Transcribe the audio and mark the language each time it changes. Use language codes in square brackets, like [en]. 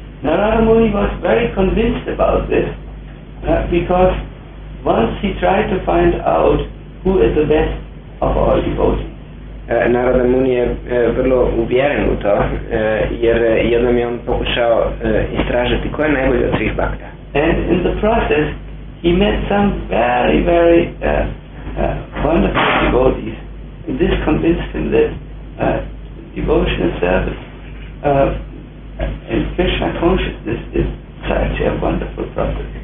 [en] Narada Muni was very convinced about this because once he tried to find out who is the best of all devotees. [hr] Narada Muni je vrlo uvjeren u to, jer jednom je on pokušao istražiti ko je najbolji od svih bhakta. [en] And in the process he met some very, very wonderful devotees. And this convinced him that devotional service and Krishna consciousness is such a wonderful process.